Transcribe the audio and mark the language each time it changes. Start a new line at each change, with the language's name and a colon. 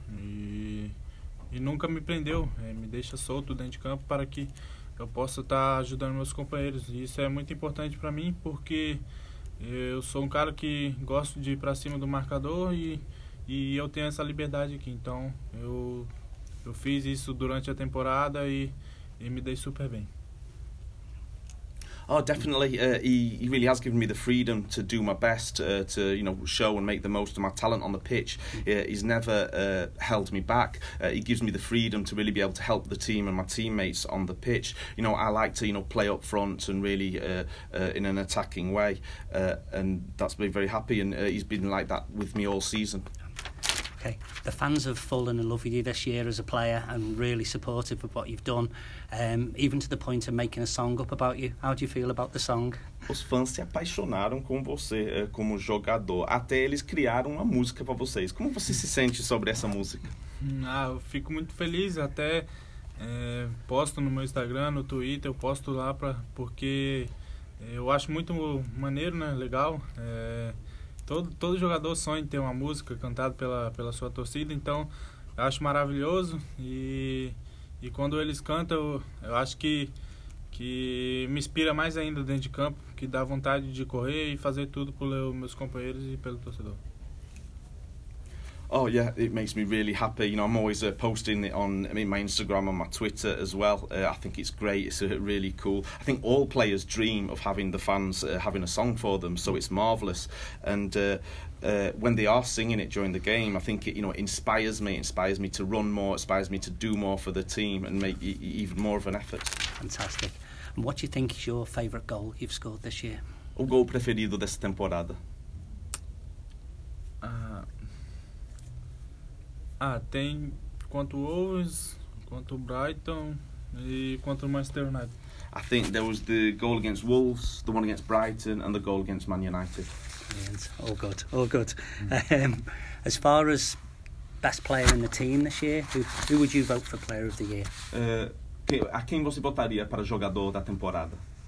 Portuguese: E nunca me prendeu. Me deixa solto dentro de campo para que eu posso estar ajudando meus companheiros. E isso é muito importante para mim, porque eu sou um cara que gosto de ir para cima do marcador e eu tenho essa liberdade aqui. Então, eu fiz isso durante a temporada e me dei super bem.
English: Oh, definitely. He really has given me the freedom to do my best, to, you know, show and make the most of my talent on the pitch. He's never held me back. He gives me the freedom to really be able to help the team and my teammates on the pitch. You know, I like to, you know, play up front and really in an attacking way. And that's been very happy. And he's been like that with me all season. Okay. The fans have fallen in love with you this year as a player and really supportive of what you've done, even to the point of making a song up about you. How do you feel about the song?
Portuguese: Os fãs se apaixonaram com você como jogador. Até eles criaram uma música para vocês. Como você se sente sobre essa música? Ah, eu fico muito feliz. Até posto no meu Instagram, no Twitter, eu posto lá porque eu acho muito maneiro, né? Legal. Todo jogador sonha em ter uma música cantada pela sua torcida, então eu acho maravilhoso e quando eles cantam eu acho que me inspira mais ainda dentro de campo, que dá vontade de correr e fazer tudo pelos meus companheiros e pelo torcedor.
English: Oh yeah, it makes me really happy. You know, I'm always posting it on my Instagram and my Twitter as well. I think it's great. It's really cool. I think all players dream of having the fans having a song for them, so it's marvellous. And when they are singing it during the game, I think it, you know, it inspires me to run more, inspires me to do more for the team and make even more of an effort. Fantastic. And what do you think is your favourite goal you've scored this year?
Portuguese: O gol preferido dessa temporada? Ah, tem contra o Wolves, contra o Brighton e contra o Manchester United.
English: I think there was the goal against Wolves, the one against Brighton and the goal against Man United. Yes. All good, all good. As far as best player in the team this year, who would you vote for player of the year?
Portuguese: A quem você votaria para jogador da temporada?